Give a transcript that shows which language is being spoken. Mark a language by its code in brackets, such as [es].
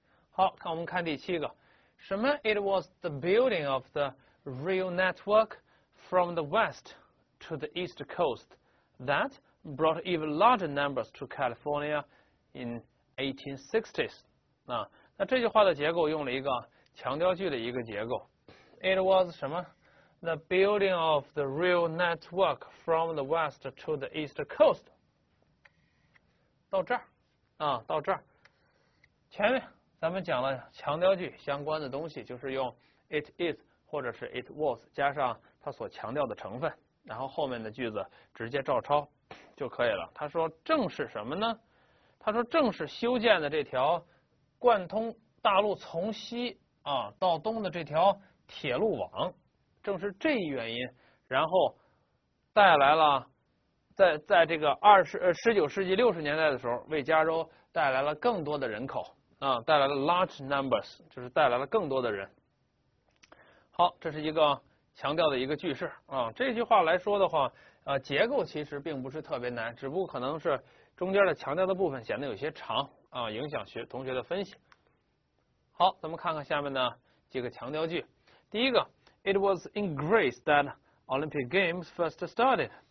[zh] 好，看我们看第七个，什么？ [en] It was the building of the rail network from the west to the east coast that brought even larger numbers to California in 1860s。 [zh] 那这句话的结构用了一个强调句的一个结构， [en] It was [zh] 什么？ [en] The building of the rail network from the west to the east coast。 [zh] 到这儿前面咱们讲了强调句相关的东西，就是用 it is 或者是 it was 加上它所强调的成分，然后后面的句子直接照抄就可以了。他说正是什么呢？他说正是修建的这条贯通大陆从西啊到东的这条铁路网，正是这一原因，然后带来了在这个19世纪60年代的时候，为加州带来了更多的人口啊，带来了 large numbers， 就是带来了更多的人。好，这是一个强调的一个句式啊。这句话来说的话啊，结构其实并不是特别难，只不过可能是中间的强调的部分显得有些长啊，影响同学的分析。好，咱们看看下面的几个强调句。第一个 [en] ，It was in Greece that Olympic Games first started。